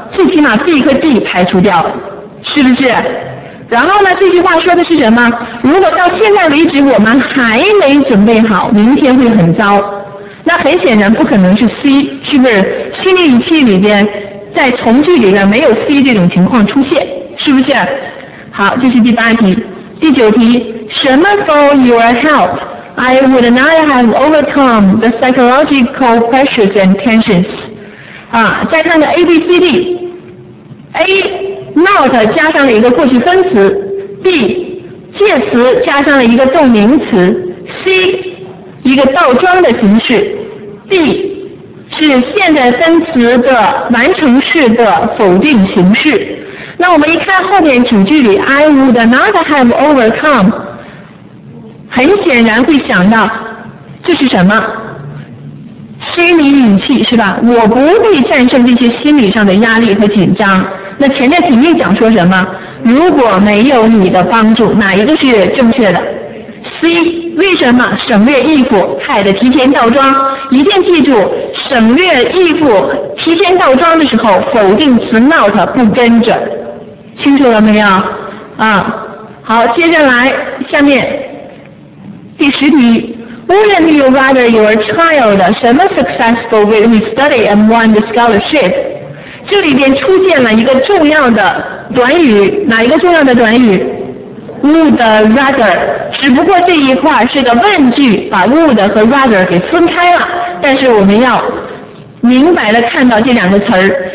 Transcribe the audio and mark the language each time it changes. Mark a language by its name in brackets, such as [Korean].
[Chinese] 最起码 B 和 D 排除掉了，是不是？然后呢这句话说的是什么？如果到现在为止我们还没准备好，明天会很糟，那很显然不可能是 C， 是不是？虚拟语气里边在从句里边没有 C 这种情况出现，是不是？好，这是第八题。第九题，什么 [English] for your help I would not have overcome the psychological pressures and tensions。 [Chinese] 啊，再看看 ABCD， A not 加上了一个过去分词， B 介词加上了一个动名词， C 一个倒装的形式， D 是现在分词的完成式的否定形式。那我们一看后面主句里 [English] I would not have overcome， [Chinese] 很显然会想到这是什么虚拟语气，是吧？我不必战胜这些心理上的压力和紧张。那前面肯定讲说什么？如果没有你的帮助，哪一个是正确的 ？C， 为什么省略 if， 害得提前倒装？一定记住，省略 if， 提前倒装的时候，否定词 not 不跟着，清楚了没有？啊，好，接下来下面第十题 [English] ，Wouldn't you rather your child 什么 successful with his study and won the scholarship？ [Chinese] 这里边出现了一个重要的短语，哪一个重要的短语？ would rather， 只不过这一块是个问句，把 would 和 rather 给分开了，但是我们要明白的看到这两个词儿。